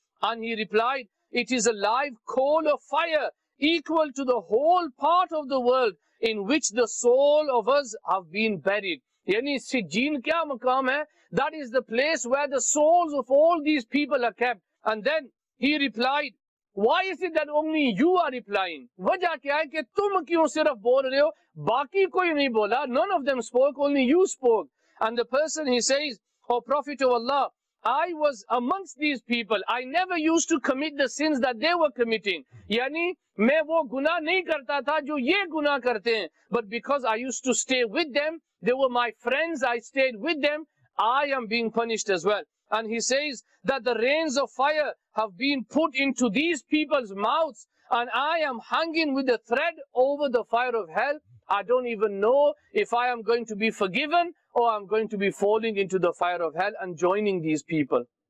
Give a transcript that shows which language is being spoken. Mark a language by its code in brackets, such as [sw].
[en] And he replied, it is a live coal of fire equal to the whole part of the world in which the soul of us have been buried. [ur] Yani Sijin kya maqam hai? [en] That is the place where the souls of all these people are kept. And then he replied, Why is it that only you are replying? [ur] وجہ کیا ہے کہ تم کیوں صرف بول رہے ہو باقی کوئی نہیں بولا [en] None of them spoke, only you spoke. And the person he says, O Prophet of Allah, I was amongst these people. I never used to commit the sins that they were committing. [ur] یعنی میں وہ گناہ نہیں کرتا تھا جو یہ گناہ کرتے ہیں. [en] But because I used to stay with them, they were my friends, I stayed with them, I am being punished as well. And he says that the rains of fire have been put into these people's mouths and I am hanging with a thread over the fire of hell. I don't even know if I am going to be forgiven or I'm going to be falling into the fire of hell and joining these people.